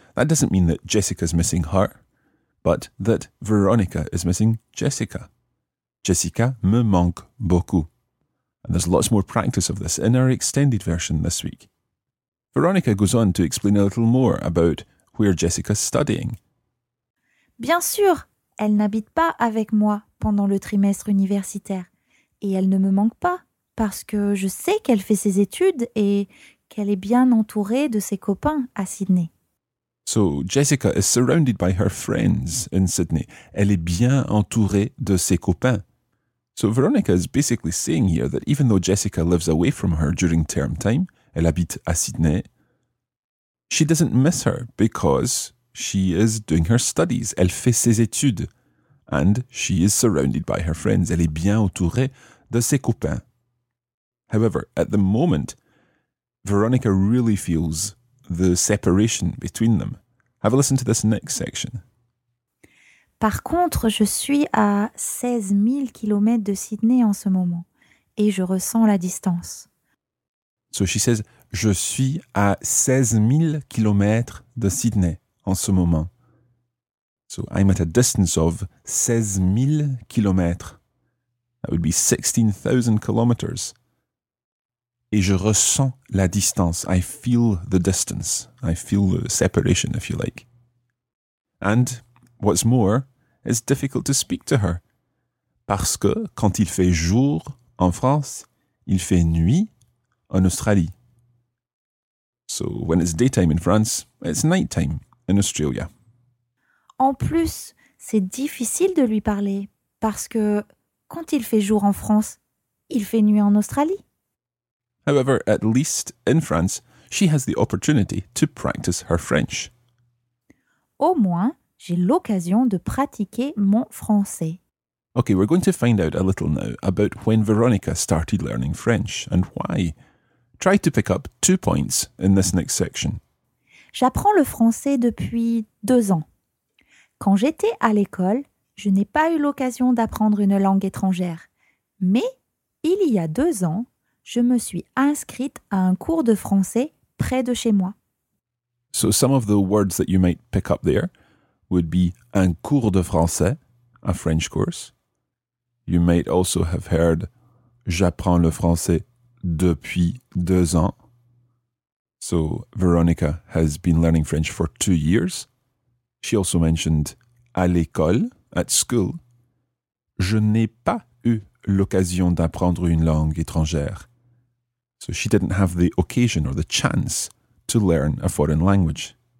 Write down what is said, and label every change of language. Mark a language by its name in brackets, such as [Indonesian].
[English] That doesn't mean that Jessica's missing her, but that Veronica is missing Jessica. [French] Jessica me manque beaucoup. [English] And there's lots more practice of this in our extended version this week. Veronica goes on to explain a little more about where Jessica's studying. [French] Bien sûr, elle n'habite pas avec moi pendant le trimestre universitaire. Et elle ne me manque pas, parce que je sais qu'elle fait ses études et qu'elle est bien entourée de ses copains à Sydney. [English] So, Jessica is surrounded by her friends in Sydney. [French] Elle est bien entourée de ses copains. [English] So, Veronica is basically saying here that even though Jessica lives away from her during term time, [French] elle habite à Sydney, [English] she doesn't miss her because she is doing her studies. [French] Elle fait ses études. [English] And she is surrounded by her friends. [French] Elle est bien entourée de ses copains. [English] However, at the moment, Veronica really feels the separation between them. Have a listen to this next section. [French] Par contre, je suis à 16 000 kilomètres de Sydney en ce moment et je ressens la distance. [English] So she says, [French] je suis à 16 000 kilomètres de Sydney en ce moment. [English] So I'm at a distance of 16,000 kilometers. That would be 16,000 kilometers. [French] Et je ressens la distance. [English] I feel the distance. I feel the separation, if you like. And what's more, it's difficult to speak to her. [French] Parce que quand il fait jour en France, il fait nuit en Australie. [English] So when it's daytime in France, it's nighttime in Australia. [French] En plus, c'est difficile de lui parler parce que quand il fait jour en France, il fait nuit en Australie. [English] However, at least in France, she has the opportunity to practice her French. [French] Au moins, j'ai l'occasion de pratiquer mon français. [English] Okay, we're going to find out a little now about when Veronica started learning French and why. Try to pick up 2 points in this next section. [French] J'apprends le français depuis 2 ans. Quand j'étais à l'école, je n'ai pas eu l'occasion d'apprendre une langue étrangère. Mais, il y a 2 ans, je me suis inscrite à un cours de français près de chez moi. [English] So some of the words that you might pick up there would be [French] un cours de français, [English] a French course. You might also have heard [French] j'apprends le français depuis 2 ans. [English] So Veronica has been learning French for 2 years. She also mentioned [French] à l'école, [English] at school. [French] Je n'ai pas eu l'occasion d'apprendre une langue étrangère. [English] So she didn't have the occasion or the chance to learn a foreign language.